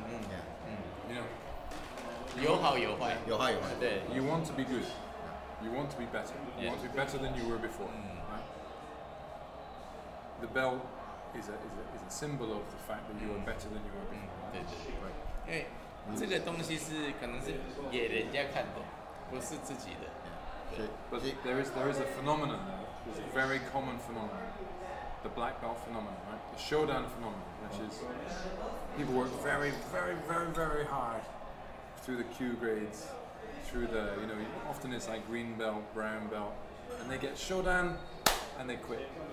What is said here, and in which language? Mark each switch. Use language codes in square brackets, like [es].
[en] Yeah. You know, [zh] 有好有坏, [en] you want to be good. You want to be better. You want to be better than you were before. Mm. Right? The bell is a symbol of the fact that you are better than you were before. Right? [zh] 这个东西是可能是给人家看的，不是自己的。 [en] But there is a phenomenon, though. It's a very common phenomenon, the black belt phenomenon, right? The Shodan phenomenon, which is people work very, very, very, very hard through the Q grades, through the, you know, often it's like green belt, brown belt, and they get Shodan and they quit.